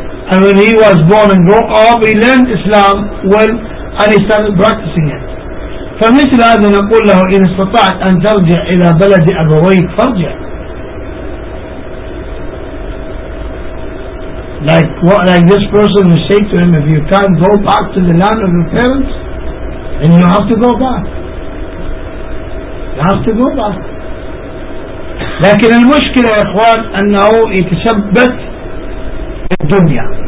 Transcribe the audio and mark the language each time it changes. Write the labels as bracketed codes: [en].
[en] And when he was born and grew up, he learned Islam well and he started practicing it. [ar] فمثل هذا نقول له, إن استطعت أن ترجع إلى بلد أبويك فرجع. [en] Like this person who say to him, if you can't go back to the land of your parents, then you have to go back. You have to go back. [ar] لكن المشكلة يا إخوان أنه يتثبت في الدنيا.